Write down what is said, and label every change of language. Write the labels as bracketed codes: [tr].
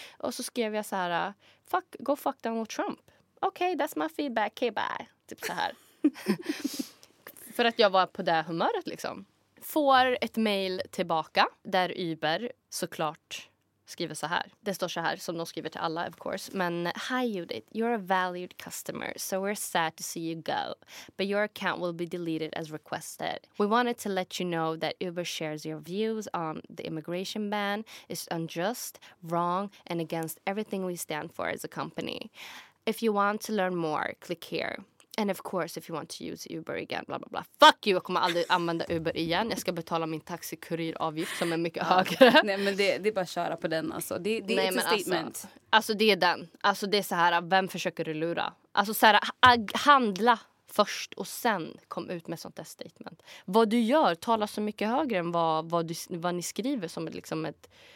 [sv] Och så skrev jag så här, [en] go fuck Donald Trump. Okay, that's my feedback, okay, bye. [sv] Typ så här. För att jag var på det humöret liksom. Får ett mail tillbaka där Uber såklart skriver så här. Det står så här, som de skriver till alla, [en] of course. Men, hi Judith, you're a valued customer, so we're sad to see you go. But your account will be deleted as requested. We wanted to let you know that Uber shares your views on the immigration ban. It's unjust, wrong, and against everything we stand for as a company. If you want to learn more, click here. And of course, if you want to use Uber again, blah, blah, blah. Fuck you, [sv] jag kommer aldrig använda Uber igen. Jag ska betala min taxikuriravgift som är mycket högre. Nej, men det är bara att köra på den alltså. Det är ett statement. Alltså, det är den. Alltså, det är så här, vem försöker du lura? Alltså, så här, handla först och sen kom ut med sånt där statement. Vad du gör talar så mycket högre än vad ni skriver som liksom ett...